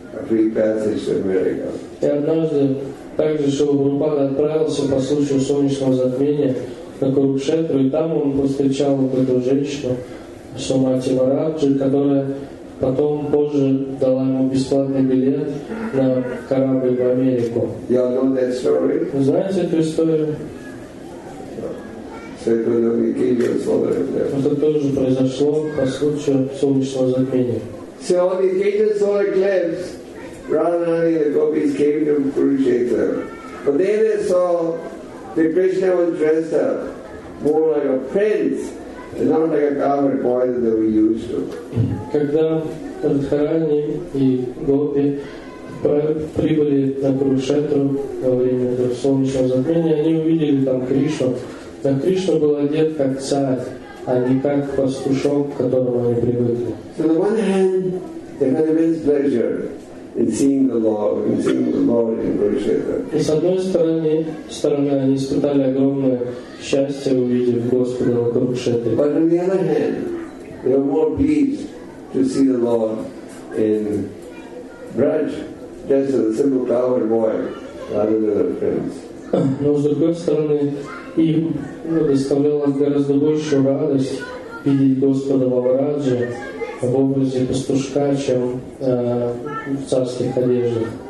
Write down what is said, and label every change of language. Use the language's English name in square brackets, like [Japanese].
[Russian] И однажды также Шрила Прабхупада отправился по случаю солнечного затмения на Курукшетру, и там он повстречал вот эту женщину, Шумати Марабджи, которая потом позже дала ему бесплатный билет на корабль в Америку. [English] You all know that story? [Russian] Вы знаете эту историю? [English] So it was the occasion of solar eclipse. [Russian] Это тоже произошло по случаю солнечного затмения. [English] So on the occasion of solar eclipse, Radharani and the gopis came to Kurukshetra. But there they saw that Krishna was dressed up more like a prince. It's not like a common boy that we used to. [Russian] Когда Радхарани и Гопи прибыли на Курукшетру во время этого солнечного затмения, они увидели там Кришну. Но Кришна был одет как царь, а не как пастушок, к которому они привыкли. [English] So the one hand, they had immense pleasure in seeing the Lord, in seeing the Lord in Kurukshetra. [Russian] И с одной стороны, они испытали огромное счастье, увидев Господа на Курукшетре. [English] But on the other hand, they were more pleased to see the Lord in Braj, just as a simple cowherd boy, rather than a prince. [Russian] Но с другой стороны, им доставляло гораздо большую радость видеть Господа во Врадже в образе пастушка, чем в царских одеждах.